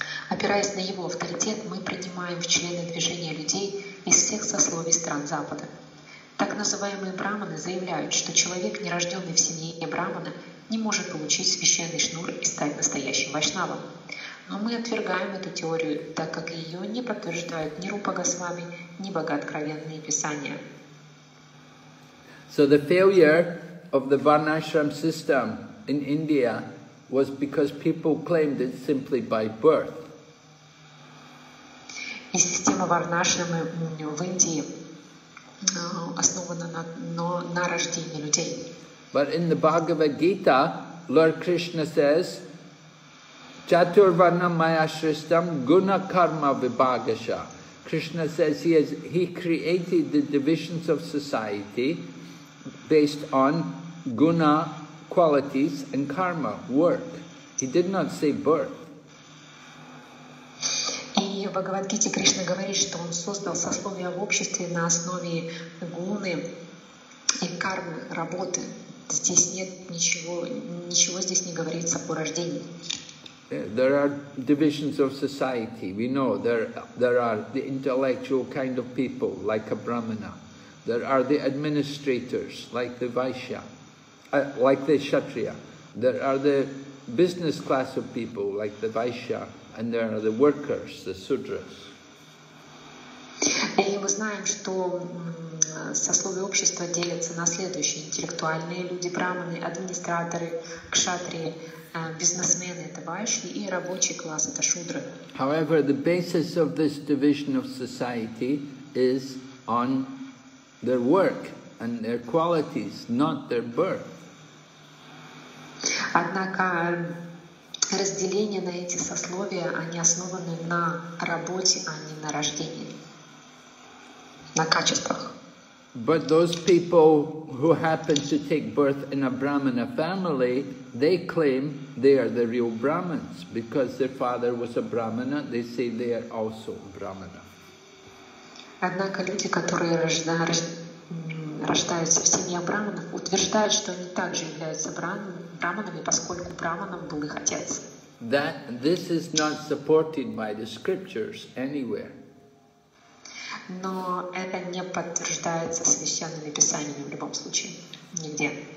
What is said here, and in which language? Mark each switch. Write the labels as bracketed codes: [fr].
[ru] Опираясь на его авторитет, мы принимаем в члены движения людей из всех сословий стран Запада. Так называемые брахманы заявляют, что человек, нерожденный в семье брахмана, не может получить священный шнур и стать настоящим вайшнавом. Но мы отвергаем эту теорию, так как ее не подтверждают ни Рупа Госвами, ни богооткровенные писания. [en] So the failure of the Varnashram system in India was because people claimed it simply by birth. [ru] И система Варнашрамы в Индии основана на рождении людей. [en] But in the Bhagavad Gita, Lord Krishna says, [sa] Chaturvarnam Mayashristam Guna Karma Vibhagasha. [en] Krishna says he created the divisions of society based on guna qualities and karma, work. He did not say birth. [ru] И в Бхагавад-гите Кришна говорит, что он создал сословие в обществе на основе гуны и кармы, работы. Здесь нет ничего здесь не говорится о рождении. [en] There are divisions of society. We know there are the intellectual kind of people, like a brahmana. There are the administrators, like the vaishya, like the kshatriya. There are the business class of people, like the vaishya, and there are the workers, the sudras. [ru] И мы знаем, что сословие общества делятся на следующие: интеллектуальные люди, брахманы, администраторы, кшатрии, бизнесмены, это вайши, и рабочий класс, это шудры. [en] However, the basis of this division of society is on their work and their qualities, not their birth. [ru] Однако разделение на эти сословия, они основаны на работе, а не на рождении, на качествах. [en] But those people who happen to take birth in a brahmana family, they claim they are the real brahmins because their father was a brahmana. They say they are also brahmana. [ru] Однако люди, которые рождаются в семье брахманов, утверждают, что они также являются брахманами, поскольку брахманом был их отец. [en] That this is not supported by the scriptures anywhere. [ru] Но это не подтверждается священными писаниями в любом случае, нигде.